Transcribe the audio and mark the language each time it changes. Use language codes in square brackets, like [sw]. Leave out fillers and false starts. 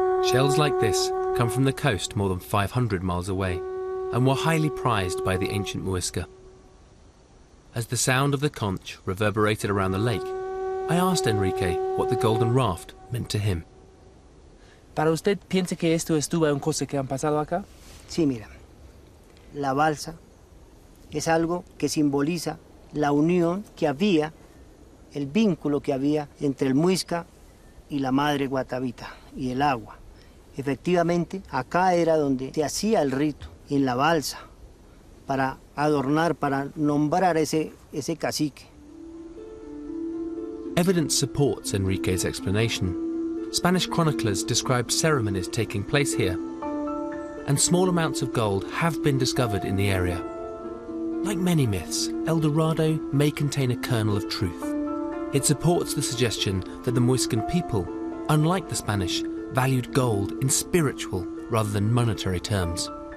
[en] Shells like this come from the coast more than 500 miles away and were highly prized by the ancient Muisca. As the sound of the conch reverberated around the lake, I asked Enrique what the golden raft meant to him. [es] ¿Para usted piensa que esto estuvo en cosas que han pasado acá? Sí, mira. La balsa es algo que simboliza la unión que había, el vínculo que había entre el Muisca y la madre Guatavita y el agua. Efectivamente, acá era donde se hacía el rito, en la balsa, para adornar, para nombrar ese cacique. [en] Evidence supports Enrique's explanation. Spanish chroniclers described ceremonies taking place here, and small amounts of gold have been discovered in the area. Like many myths, El Dorado may contain a kernel of truth. It supports the suggestion that the Muiscan people, unlike the Spanish, valued gold in spiritual rather than monetary terms.